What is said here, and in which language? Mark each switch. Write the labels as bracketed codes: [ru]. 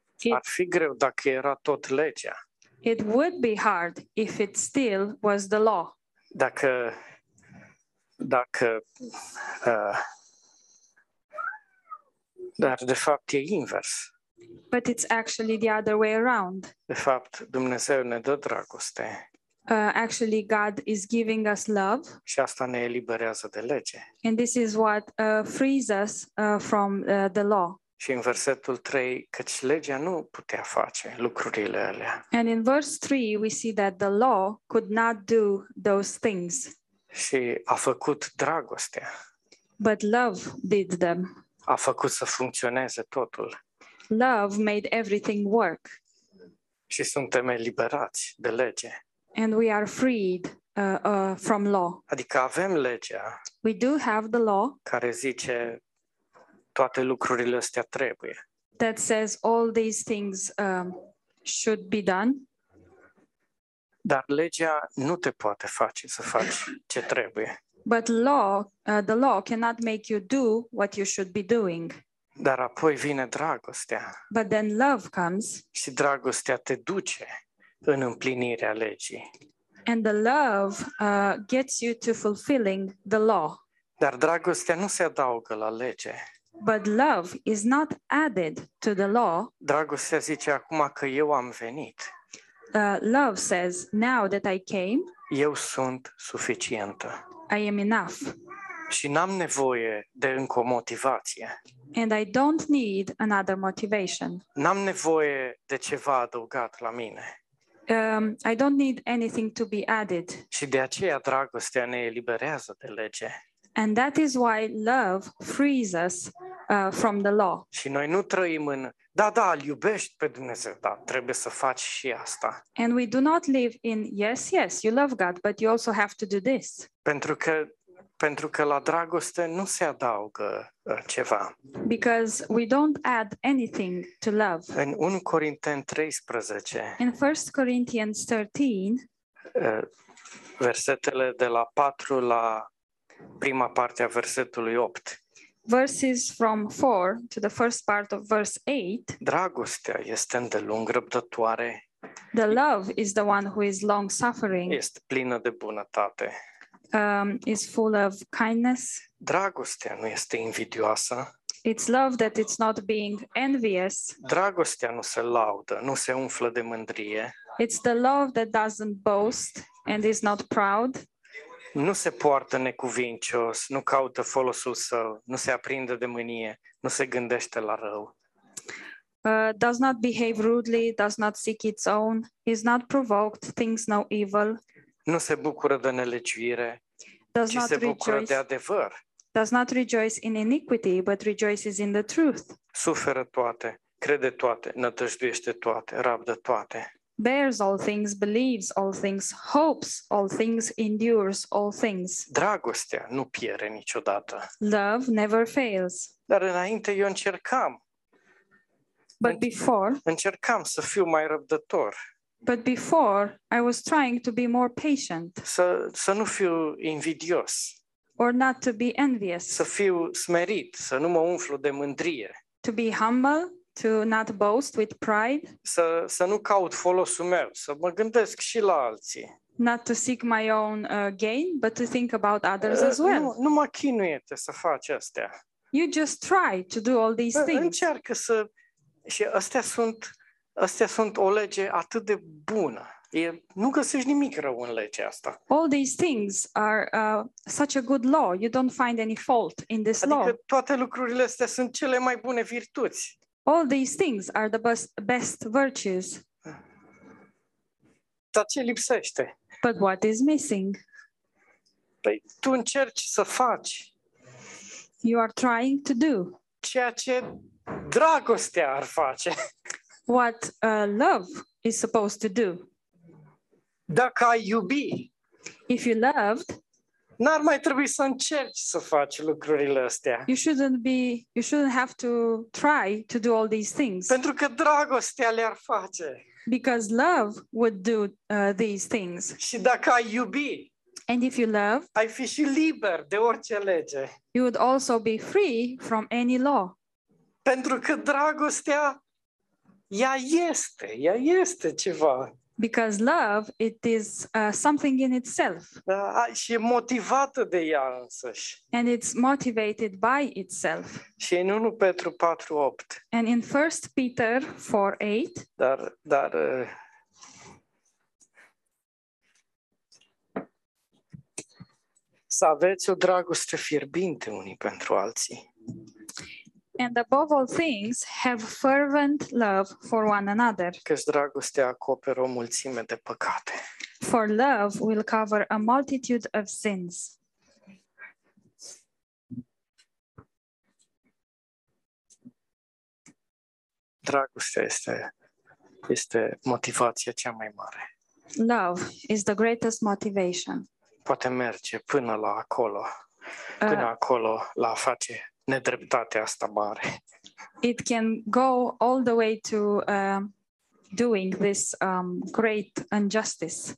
[ro] Ar fi greu dacă era tot legea. [en] It would be hard if it still was the law. [ro] Dar de fapt e invers. [en] But it's actually the other way around. [ro] De fapt, Dumnezeu ne dă dragoste. [en] Actually, God is giving us love. [ro] Și asta ne eliberează de lege. [en] And this is what frees us from the law. [ro] Și în versetul 3, căci legea nu putea face lucrurile alea. [en] And in verse 3, we see that the law could not do those things. [ro] Și a făcut dragostea. [en] But love did them. [ro] A făcut să funcționeze totul. [en] Love made everything work. [ro] Și suntem eliberați de lege. [en] And we are freed from law. [ro] Adică avem legea. [en] We do have the law. [ro] Care zice toate lucrurile astea trebuie. [en] That says all these things should be done. [ro] Dar legea nu te poate face să faci ce trebuie. [en] But law, the law cannot make you do what you should be doing. [ro] Dar apoi vine dragostea. [en] But then love comes. [ro] Și dragostea te duce în împlinirea legii. [en] And the love gets you to fulfilling the law. [ro] Dar dragostea nu se adaugă la lege. [en] But love is not added to the law. [ro] Dragostea zice acum că eu am venit. [en] Love says, now that I came, [ro] eu sunt suficientă. [en] I am enough. [ro] Și n-am nevoie de încă o motivație. [en] And I don't need another motivation. [ro] N-am nevoie de ceva adăugat la mine. [en] I don't need anything to be added. [ro] Și de aceea dragostea ne eliberează de lege. [en] And that is why love frees us from the law. [ro] Și noi nu trăim în da, îl iubești pe Dumnezeu, da, trebuie să faci și asta. [en] And we do not live in yes, you love God, but you also have to do this. [ro] Pentru că la dragoste nu se adaugă ceva. [en] Because we don't add anything to love. [ro] În 1 Corinteni 13. [en] In 1 Corinthians 13. [ro] Versetele de la 4 la prima parte a versetului 8. [en] Verses from 4 to the first part of verse 8. [ro] Dragostea este îndelung răbdătoare. [en] The love is the one who is long suffering. [ro] Este plină de bunătate. [en] Is full of kindness. [ro] Dragostea nu este invidioasă. [en] It's love that it's not being envious. [ro] Dragostea nu se laudă, nu se umflă de mândrie. [en] It's the love that doesn't boast and is not proud. [ro] Nu se poartă necuvincios, nu caută folosul său, nu se aprinde de mânie, nu se gândește la rău. [en] Does not behave rudely, does not seek its own, is not provoked, thinks no evil. [ro] Nu se bucură de nelegiuire, ci se bucură de adevăr. [en] Does not rejoice in iniquity, but rejoices in the truth. [ro] Suferă toate, crede toate, nădăjduiește toate, rabdă toate. [en] Bears all things, believes all things, hopes all things, endures all things. [ro] Dragostea nu pierde niciodată. [en] Love never fails. [ro] Dar înainte eu încercam. [en] But before, [ro] încercam să fiu mai răbdător. [en] But before, I was trying to be more patient. [ro] Să nu fiu invidios. [en] Or not to be envious. [ro] Să fiu smerit, să nu mă umflu de mândrie. [en] To be humble, to not boast with pride. [ro] Să nu caut folosul meu, să mă gândesc și la alții. [en] Not to seek my own gain, but to think about others as well. [ro] Nu mă chinuiete să fac astea. [en] You just try to do all these things. [ro] Încearcă să... Și astea sunt o lege atât de bună. Nu găsești nimic rău în legea asta. [en] All these things are such a good law. You don't find any fault in this law. [ro] Adică toate lucrurile astea sunt cele mai bune virtuți. [en] All these things are the best virtues. [ro] Dar ce lipsește? [en] But what is missing? [ro] Păi tu încerci să faci. [en] You are trying to do. [ro] Ceea ce dragostea ar face. [en] What love is supposed to do. [ro] Dacă ai iubi, [en] if you loved, [ro] n-ar mai trebui să încerci să faci lucrurile astea. [en] You shouldn't have to try to do all these things. [ro] Pentru că dragostea le-ar face. [en] Because love would do these things. [ro] Și dacă ai iubi, [en] and if you love, [ro] ai fi și liber de orice lege. [en] You would also be free from any law. [ro] Pentru că dragostea ea este ceva. [en] Because love, it is something in itself. [ro] Și e motivată de ea însăși. [en] And it's motivated by itself. [ro] Și în 1 Petru 4, 8. [en] And in 1 Peter 4, 8. [ro] Dar să aveți o dragoste fierbinte unii pentru alții. [en] And above all things, have fervent love for one another. [ro] Căci dragostea acoperă o mulțime de păcate. [en] For love will cover a multitude of sins. [ro] Dragostea este motivația cea mai mare. [en] Love is the greatest motivation. [ro] Poate merge până la acolo, până acolo la a face nedreptatea asta mare. [en] It can go all the way to doing this great injustice.